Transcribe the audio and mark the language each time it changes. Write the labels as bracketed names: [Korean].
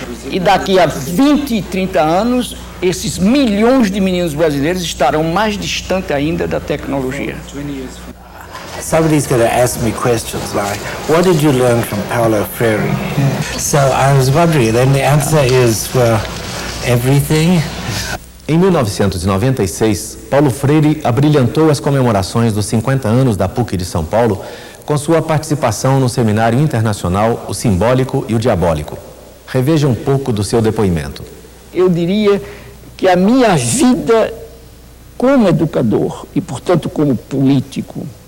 [Portuguese] E daqui a 20, 30 anos, esses milhões de meninos brasileiros estarão mais distantes ainda da tecnologia. [English] Somebody's going to ask me questions like, what did you learn from Paulo Freire? So I was wondering, then the answer is, well, everything. [Portuguese] Em 1996, Paulo Freire abrilhantou as comemorações dos 50 anos da PUC de São Paulo com sua participação no seminário internacional O Simbólico e o Diabólico. Reveja um pouco do seu depoimento. Eu diria que a minha vida como educador e, portanto, como político